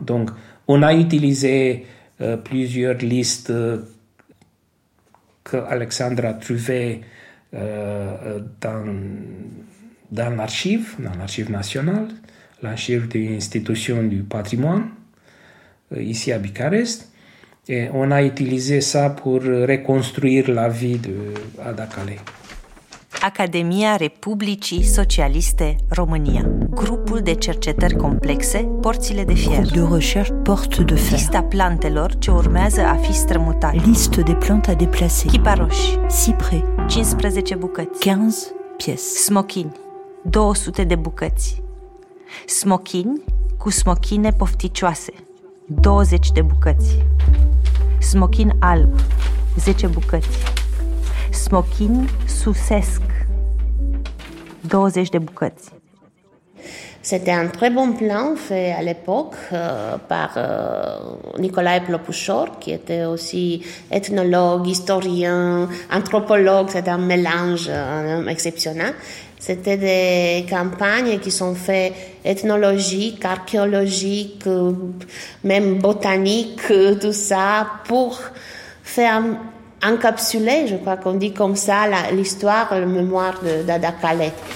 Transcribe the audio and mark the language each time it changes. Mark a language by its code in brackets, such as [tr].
[fr] Donc on a utilisé plusieurs listes que Alexandre a trouvées dans l'archive nationale, l'archive de l'institution du patrimoine ici à Bucarest. Et on a utilisé ça pour reconstruire la vie de Ada Kale. [ro] Academia Republicii Socialiste România. Grupul de cercetări complexe, porțile de fier. [fr] De recherche, porte de fer. [ro] Lista plantelor ce urmează a fi strămutate. [fr] Liste de plantes à déplacer. [ro] Chiparoși. [fr] Cipre. [ro] 15 bucăți. [fr] 15 pièces. [ro] Smochini. 200 de bucăți. Smochini cu smochine pofticioase. 20 de bucăți. Smochin alb, 10 bucăți. Smochin susesc, 20 de bucăți. [fr] C'était un très bon plan fait à l'époque par Nicolae Plopușor, qui était aussi ethnologue, historien, anthropologue, c'était un mélange exceptionnel. C'était des campagnes qui sont faites ethnologiques, archéologiques, même botaniques, tout ça, pour faire encapsuler, je crois qu'on dit comme ça, l'histoire, la mémoire d'Ada Kale.